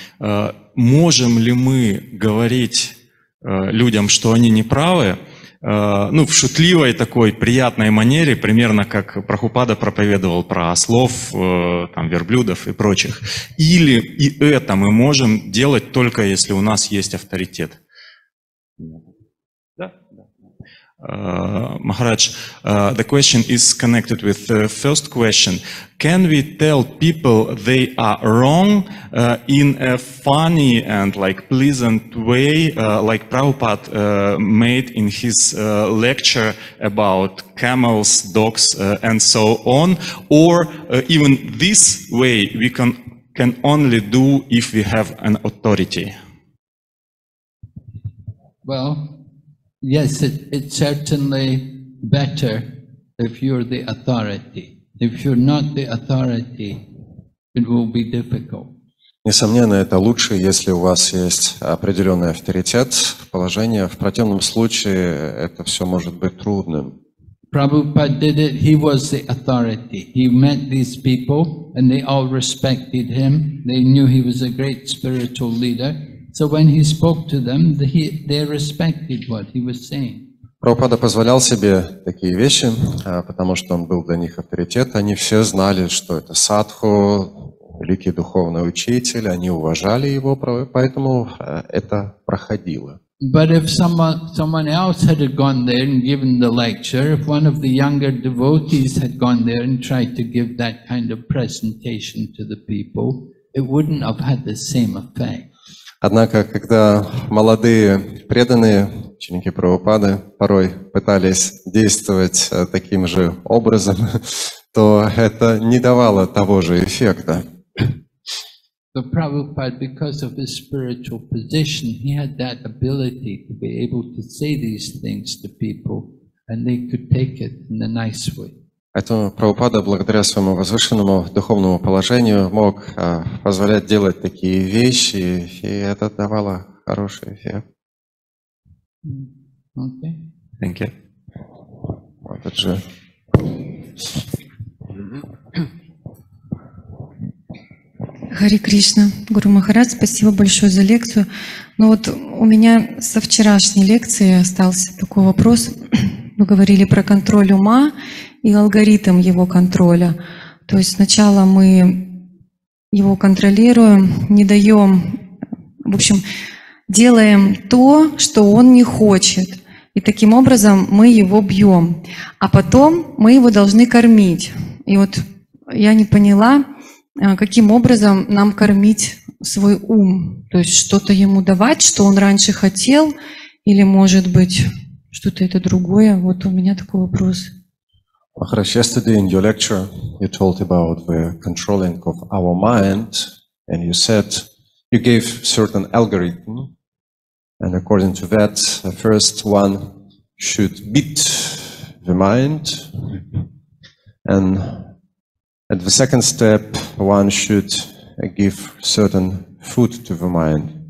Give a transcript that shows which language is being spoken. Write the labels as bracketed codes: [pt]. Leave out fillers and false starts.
[ru] Можем ли мы говорить людям, что они неправы, ну, в шутливой такой приятной манере, примерно как Прабхупада проповедовал про ослов, там, верблюдов и прочих. Или и это мы можем делать только если у нас есть авторитет? Да. [en] Махарадж, the question is connected with the first question. Can we tell people they are wrong in a funny and like pleasant way, like Prabhupada made in his lecture about camels, dogs, and so on? Or even this way we can only do if we have an authority? Well, yes, it's certainly better if you're the authority. If you're not the authority, it will be difficult. [ru] Несомненно, это лучше, если у вас есть определенный авторитет в положении. В противном случае это все может быть трудным. [en] Prabhupada did it. He was the authority. He met these people, and they all respected him. They knew he was a great spiritual leader. So when he spoke to them, they respected what he was saying. [ru] Прабхупада позволял себе такие вещи, потому что он был для них авторитет. Они все знали, что это садху, великий духовный учитель, они уважали его, поэтому это проходило. [en] But if someone else had gone there and given the lecture, if one of the younger devotees had gone there and tried to give that kind of presentation to the people, it wouldn't have had the same effect. [ru] Однако, когда молодые преданные ученики Прабхупады порой пытались действовать таким же образом, то это не давало того же эффекта. [en] So Prabhupada, because of his spiritual position, he had that ability to be able to say these things to people, and they could take it in a nice way. [ru] Поэтому Прабхупада, благодаря своему возвышенному духовному положению, мог позволять делать такие вещи, и это давало хороший эффект. [en] Okay. Thank you. [ru] Вот это же. Хари Кришна, Гуру Махарадж, спасибо большое за лекцию. Но вот у меня со вчерашней лекции остался такой вопрос. Вы говорили про контроль ума и алгоритм его контроля. То есть сначала мы его контролируем, не даем, в общем, делаем то, что он не хочет. И таким образом мы его бьем. А потом мы его должны кормить. И вот я не поняла, каким образом нам кормить свой ум. То есть что-то ему давать, что он раньше хотел, или, может быть, что-то это другое. Вот у меня такой вопрос. [en] Maharaj, yesterday in your lecture you told about the controlling of our mind, and you said you gave certain algorithm, and according to that, the first one should beat the mind, and at the second step one should give certain food to the mind.